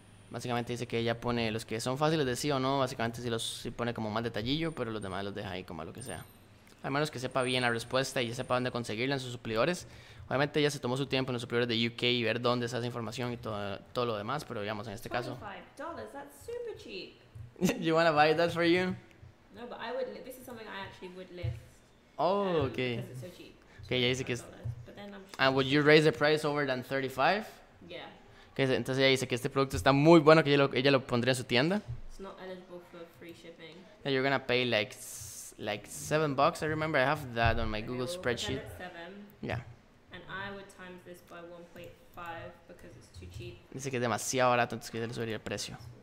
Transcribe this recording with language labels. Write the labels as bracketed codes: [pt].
[es] Básicamente dice que ella pone los que son fáciles de sí o no, básicamente sí los sí pone como más detallillo, pero los demás los deja ahí como lo que sea. Al menos que sepa bien la respuesta y ya sepa dónde conseguirla en sus suplidores. Obviamente ella se tomó su tiempo en los suplidores de UK y ver dónde está esa información y todo lo demás, pero digamos en este caso. [en] $25, that's super cheap. You wanna buy that for you? No, but I would, this is something I actually would list. Oh, okay. Because it's so cheap. [es] Okay, ella dice que es... [en] But then I'm sure. And would you raise the price over than $35? Yeah. [es] Entonces ella dice que este producto está muy bueno, que ella lo pondría en su tienda. [en] It's not eligible for free shipping. Yeah, you're gonna pay like $7, I remember. I have that on my Google spreadsheet. Seven. Yeah. And I would times this by 1.5 because it's too cheap. [es] Dice que es demasiado barato, entonces que le subiría el precio.